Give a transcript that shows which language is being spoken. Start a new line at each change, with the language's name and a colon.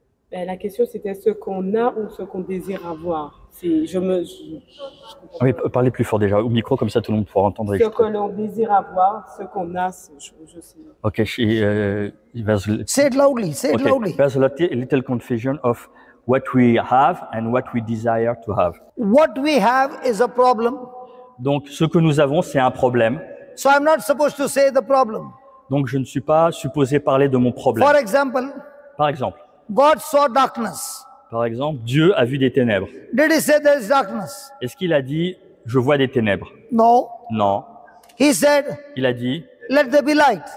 French: La question, c'était ce qu'on a ou ce qu'on désire avoir. Oui, parlez plus fort déjà, au micro, comme ça tout le monde pourra entendre. Ce que l'on désire avoir, ce qu'on a, je sais.
English: Ok, say it loudly, say it loudly. There's a little confusion of what we have and what we desire to have. What we have is a problem.
French: Donc, ce que nous avons, c'est un problème.
English: So I'm not supposed to say the problem.
French: Donc, je ne suis pas supposé parler de mon problème.
English: For example,
French: par exemple,
English: God saw darkness.
French: Par exemple, Dieu a vu des ténèbres.
English: Did he say there is darkness?
French: Est-ce qu'il a dit, je vois des ténèbres?
English: No.
French: Non.
English: He said,
French: il a dit,
English: let there be light.